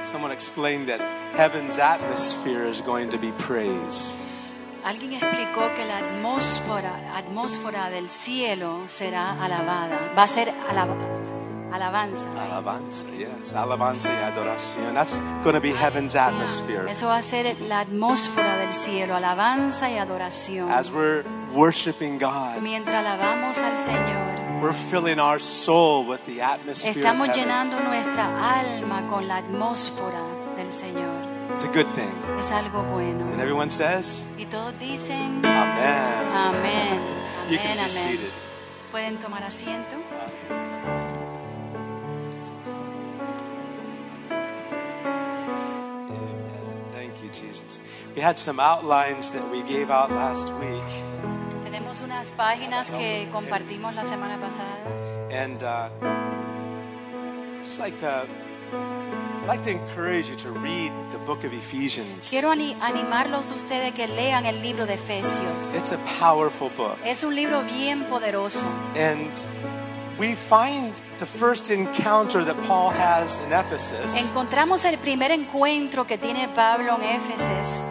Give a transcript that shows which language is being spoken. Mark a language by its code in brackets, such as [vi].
[en] Explained that heaven's atmosphere is going to be praise. [es] Alguien explicó que la atmósfera del cielo será alabada. Va a ser alabanza. [en] Alabanza, yes, [es] alabanza y adoración. [en] That's going to be heaven's atmosphere. [es] Eso va a ser la atmósfera del cielo, alabanza y adoración. [en] As we're worshiping God. [es] Mientras alabamos al Señor. [en] We're filling our soul with the atmosphere. [es] Estamos llenando nuestra alma con la atmósfera del Señor. [en] It's a good thing. [es] Es algo bueno. [en] And everyone says. [es] Y todos dicen. [en] Amen. Amen. You can be seated. [es] Pueden tomar asiento. [en] Amen. Thank you, Jesus. We had some outlines that we gave out last week. [es] Unas páginas que compartimos la semana pasada. [en] And just like to encourage you to read the book of Ephesians. [es] Quiero animarlos ustedes que lean el libro de Efesios. [en] It's a powerful book. [es] Es un libro bien poderoso. [en] And we find the first encounter that Paul has in Ephesus. [es] Encontramos el primer encuentro que tiene Pablo en Éfesis.